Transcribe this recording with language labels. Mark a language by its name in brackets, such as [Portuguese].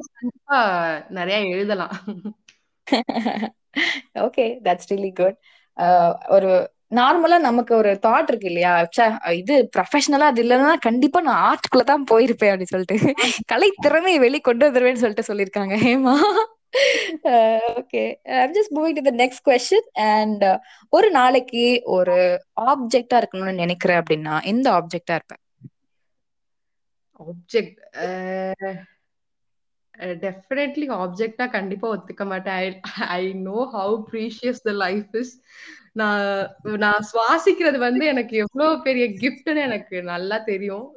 [Tamil] கண்டிப்பா நிறைய எழுதலாம். [English] Okay, that's really good. [Tamil] ஒரு நார்மலா நமக்கு ஒரு தாட் இருக்கு இல்லையா, இது ப்ரொஃபஷனலா அது இல்லைன்னா கண்டிப்பா நான் ஆர்ட்குள்ள தான் போயிருப்பேன் அப்படின்னு சொல்லிட்டு கலை திறமையை வெளிக்கொண்டு வந்துருவேன் சொல்லிட்டு சொல்லிருக்காங்க Hema. [English] Okay, I'm just moving to the next question. [Tamil] And ஒரு நாளைக்கு ஒரு ஆப்ஜெக்டா இருக்கணும்னு நினைக்கிற அப்படின்னா எந்த ஆப்ஜெக்டா இருப்பேன்? ஆப்ஜெக்ட் டெஃபினெட்லி ஆப்ஜெக்டா கண்டிப்பா ஒத்துக்க மாட்டேன். [English] I know how precious the life is. [Tamil] நான் நான் சுவாசிக்கிறது வந்து எனக்கு எவ்வளோ பெரிய கிஃப்ட்னு எனக்கு நல்லா தெரியும்.